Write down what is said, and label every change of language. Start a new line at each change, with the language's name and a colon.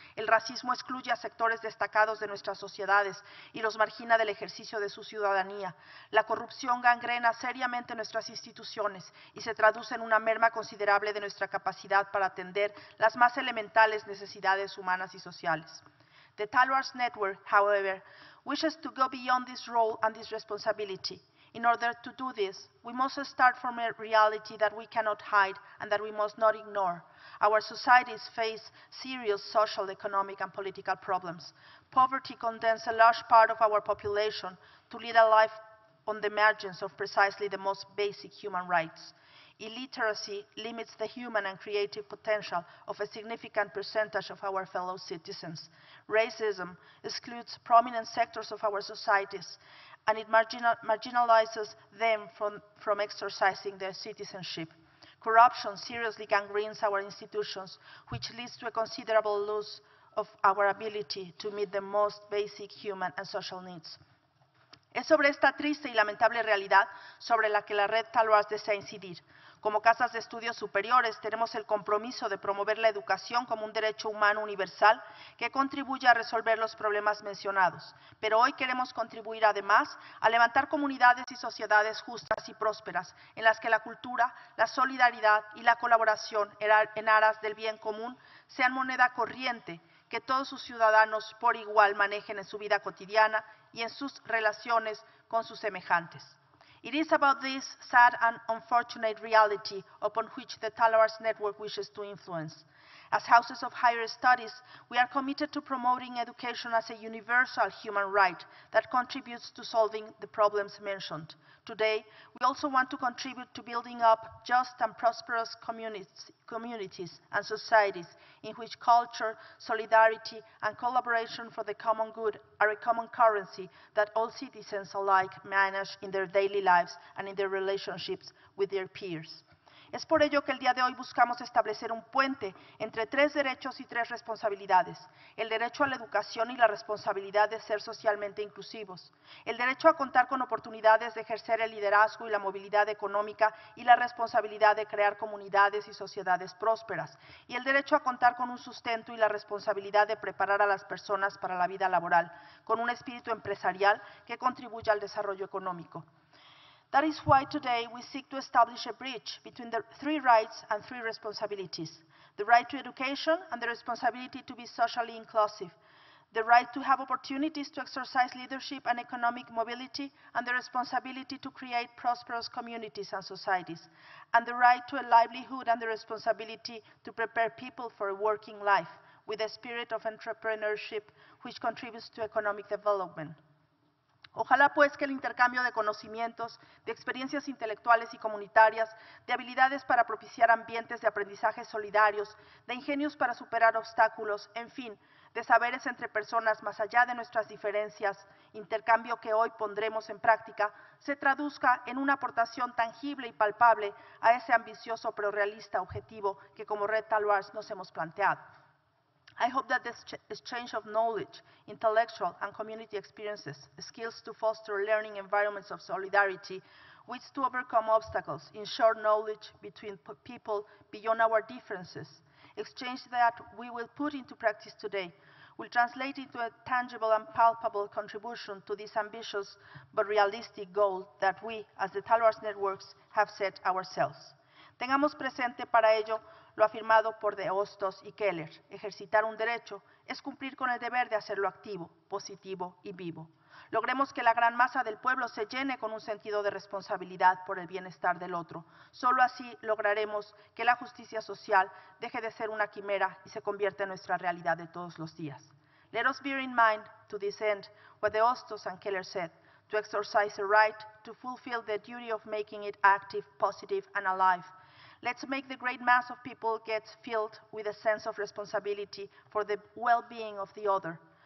Spanish: El racismo excluye a sectores destacados de nuestras sociedades y los margina del ejercicio de su ciudadanía. La corrupción gangrena seriamente nuestras instituciones y se traduce en una merma considerable de nuestra capacidad para atender las más elementales necesidades humanas y sociales.
English: The TALUARS Network, however, wishes to go beyond this role and this responsibility. In order to do this, we must start from a reality that we cannot hide and that we must not ignore. Our societies face serious social, economic, and political problems. Poverty condemns a large part of our population to lead a life on the margins of precisely the most basic human rights. Illiteracy limits the human and creative potential of a significant percentage of our fellow citizens. Racism excludes prominent sectors of our societies, and it marginalizes them from exercising their citizenship. Corruption seriously gangrenes our institutions, which leads to a considerable loss of our ability to meet the most basic human and social needs.
Spanish: Es sobre esta triste y lamentable realidad sobre la que la red TALUARS desea incidir. Como casas de estudios superiores, tenemos el compromiso de promover la educación como un derecho humano universal que contribuya a resolver los problemas mencionados. Pero hoy queremos contribuir, además, a levantar comunidades y sociedades justas y prósperas en las que la cultura, la solidaridad y la colaboración en aras del bien común sean moneda corriente que todos sus ciudadanos por igual manejen en su vida cotidiana y en sus relaciones con sus semejantes.
English: It is about this sad and unfortunate reality upon which the TalArts Network wishes to influence. As houses of higher studies, we are committed to promoting education as a universal human right that contributes to solving the problems mentioned. Today, we also want to contribute to building up just and prosperous communities and societies in which culture, solidarity, and collaboration for the common good are a common currency that all citizens alike manage in their daily lives and in their relationships with their peers.
Spanish: Es por ello que el día de hoy buscamos establecer un puente entre tres derechos y tres responsabilidades: el derecho a la educación y la responsabilidad de ser socialmente inclusivos, el derecho a contar con oportunidades de ejercer el liderazgo y la movilidad económica y la responsabilidad de crear comunidades y sociedades prósperas, y el derecho a contar con un sustento y la responsabilidad de preparar a las personas para la vida laboral, con un espíritu empresarial que contribuya al desarrollo económico.
English: That is why today we seek to establish a bridge between the three rights and three responsibilities: the right to education and the responsibility to be socially inclusive, the right to have opportunities to exercise leadership and economic mobility, and the responsibility to create prosperous communities and societies, and the right to a livelihood and the responsibility to prepare people for a working life with a spirit of entrepreneurship which contributes to economic development.
Spanish: Ojalá pues que el intercambio de conocimientos, de experiencias intelectuales y comunitarias, de habilidades para propiciar ambientes de aprendizaje solidarios, de ingenios para superar obstáculos, en fin, de saberes entre personas más allá de nuestras diferencias, intercambio que hoy pondremos en práctica, se traduzca en una aportación tangible y palpable a ese ambicioso pero realista objetivo que como Red TalArts nos hemos planteado.
English: I hope that this exchange of knowledge, intellectual and community experiences, skills to foster learning environments of solidarity, which to overcome obstacles, ensure knowledge between people beyond our differences, exchange that we will put into practice today, will translate into a tangible and palpable contribution to this ambitious but realistic goal that we, as the TalArts Networks, have set ourselves.
Spanish: Tengamos presente para ello lo afirmado por De Hostos y Keller: ejercitar un derecho es cumplir con el deber de hacerlo activo, positivo y vivo. Logremos que la gran masa del pueblo se llene con un sentido de responsabilidad por el bienestar del otro. Solo así lograremos que la justicia social deje de ser una quimera y se convierta en nuestra realidad de todos los días.
English: Let us bear in mind, to this end, what De Hostos and Keller said: to exercise a right, to fulfill the duty of making it active, positive, and alive. Let's make the great mass of people get filled with a sense of responsibility for the well-being of the other.